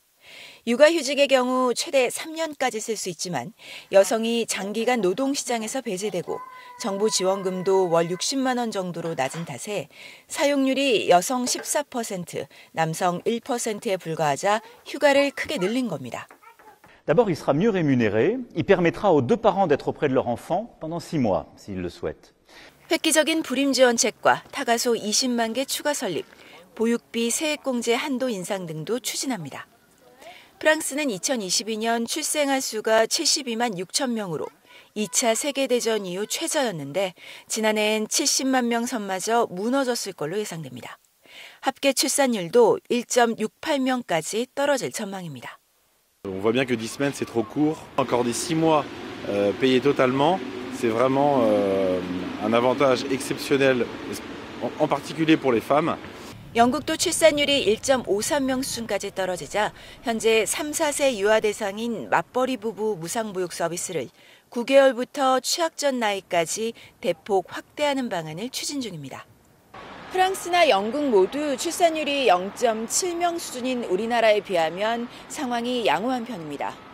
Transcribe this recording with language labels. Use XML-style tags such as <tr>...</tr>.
<ko>육아휴직의 경우 최대 3년까지 쓸 수 있지만 여성이 장기간 노동시장에서 배제되고 정부 지원금도 월 60만 원 정도로 낮은 탓에 사용률이 여성 14%, 남성 1%에 불과하자 휴가를 크게 늘린 겁니다.</ko> <fr>D'abord, il sera mieux rémunéré. Il permettra aux deux parents d'être auprès de leur enfant pendant 6 mois, s'ils le souhaitent.</fr> <ko>획기적인 불임 지원책과 타가소 20만 개 추가 설립, 보육비 세액공제 한도 인상 등도 추진합니다. 프랑스는 2022년 출생아 수가 72만 6천 명으로 2차 세계대전 이후 최저였는데 지난해엔 70만 명 선마저 무너졌을 걸로 예상됩니다. 합계 출산율도 1.68명까지 떨어질 전망입니다.</ko> <fr>On voit bien que 10 semaines, c'est trop court. Encore des 6 mois payés totalement, c'est vraiment un avantage exceptionnel, en particulier pour les femmes.</fr> <ko>영국도 출산율이 1.53명 수준까지 떨어지자 현재 3, 4세 유아 대상인 맞벌이 부부 무상보육 서비스를 9개월부터 취약전 나이까지 대폭 확대하는 방안을 추진 중입니다. 프랑스나 영국 모두 출산율이 0.7명 수준인 우리나라에 비하면 상황이 양호한 편입니다.</ko>